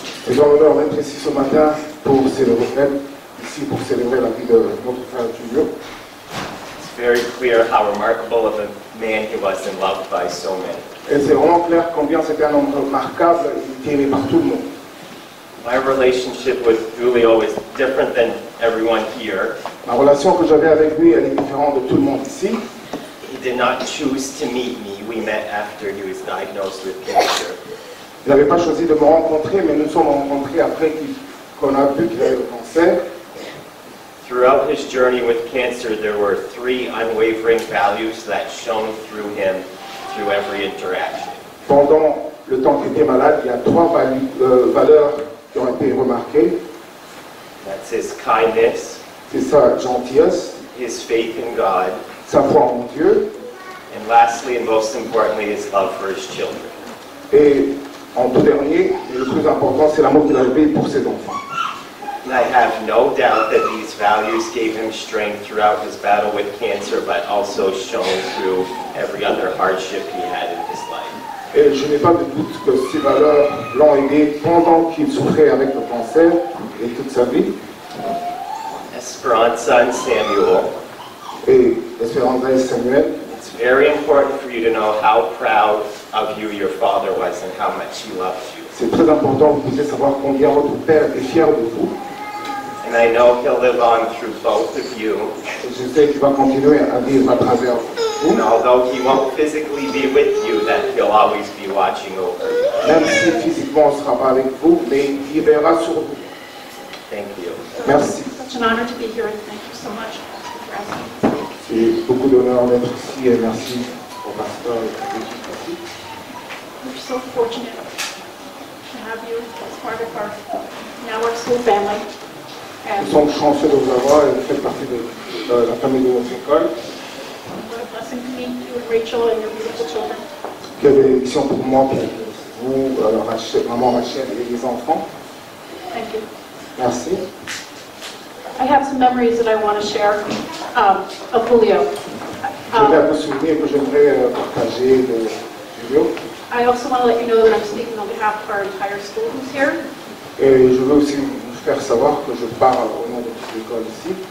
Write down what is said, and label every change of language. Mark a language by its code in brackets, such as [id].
[fr] Et donc alors, même ici ce matin pour célébrer ici pour célébrer la vie de notre frère Julio. [en] It's very clear how remarkable of a man he was and loved by so many. [fr] Et c'est vraiment clair combien c'était un homme remarquable et aimé par tout le monde. [en] My relationship with Julio is different than everyone here. [fr] Ma relation que j'avais avec lui, elle est différente de tout le monde ici. [en] He did not choose to meet me. We met after he was diagnosed with cancer. [fr] Il n'avait pas choisi de me rencontrer, mais nous sommes rencontrés après qu'on a vu qu'il avait le cancer. [en] Throughout his journey with cancer, there were 3 unwavering values that shone through him through every interaction. [fr] Pendant le temps qu'il était malade, il y a 3 valeurs qui ont été remarquées. [en] That's his kindness. [fr] C'est sa gentillesse. [en] His faith in God. [fr] Sa foi en Dieu. [en] And lastly, and most importantly, his love for his children. [fr] Et en tout dernier, et le plus important, c'est l'amour qu'il avait pour ses enfants. [en] And I have no doubt that these values gave him strength throughout his battle with cancer, but also shone through every other hardship he had in his life. [fr] Et je n'ai pas de doute que ces valeurs l'ont aidé pendant qu'il souffrait avec le cancer et toute sa vie. [en] Esperanza and Samuel. [fr] Et Esperanza et Samuel. [en] It's very important for you to know how proud of you your father was and how much he loved you. [fr] C'est très important que vous puissiez savoir combien votre père est fier de vous. [en] And I know he'll live on through both of you. [fr] Et je sais qu'il va continuer à vivre à travers vous. [en] And although he won't physically be with you, that he'll always be watching over you. [fr] Même si physiquement on sera pas avec vous, mais il verra sur vous. [en] Thank you. [fr] Merci. [en] Such an honor to be here, and thank you so much for asking. [fr] C'est beaucoup d'honneur d'être ici, et merci au pasteur et à l'équipe. [en] We're so fortunate to have you as part of our network school family. [fr] Nous sommes chanceux de vous avoir et de faire partie de la famille de notre école. [en] What a blessing to meet you and Rachel and your beautiful children. [fr] Quelle bénédiction pour moi, pour vous, Rachel, maman Rachel et les enfants. [en] Thank you. [fr] Merci. [en] I have some memories that I want to share of Julio. [fr] J'ai quelques souvenirs que j'aimerais partager de Julio. [en] I also want to let you know that I'm speaking on behalf of our entire school who's here. [fr] Et je veux aussi vous faire savoir que je parle au nom de toute l'école ici.